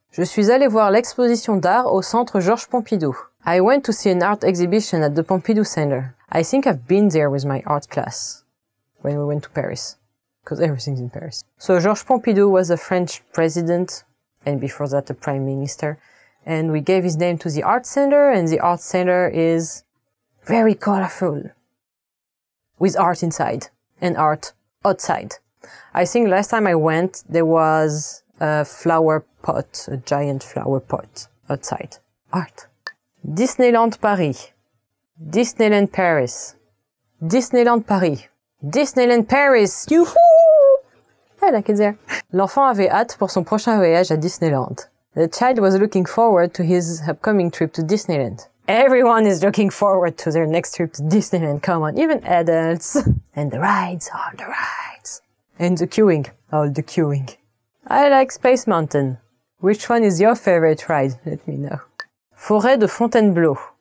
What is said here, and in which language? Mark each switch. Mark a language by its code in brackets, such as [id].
[fr] Je suis allé voir l'exposition d'art au Centre Georges Pompidou. [en] I went to see an art exhibition at the Pompidou Center. I think I've been there with my art class. When we went to Paris, because everything's in Paris. So Georges Pompidou was a French president, and before that a prime minister, and we gave his name to the art center, and the art center is very colorful, with art inside and art outside. I think last time I went, there was a flower pot, a giant flower pot outside. Art. Disneyland Paris. Disneyland Paris. Disneyland Paris. Disneyland Paris! Youhoo! I like it there. [fr] L'enfant avait hâte pour son prochain voyage à Disneyland. [en] The child was looking forward to his upcoming trip to Disneyland. Everyone is looking forward to their next trip to Disneyland. Come on, even adults. And the rides are the rides. And the queuing. Oh, the queuing. I like Space Mountain. Which one is your favorite ride? Let me know. Forêt de Fontainebleau.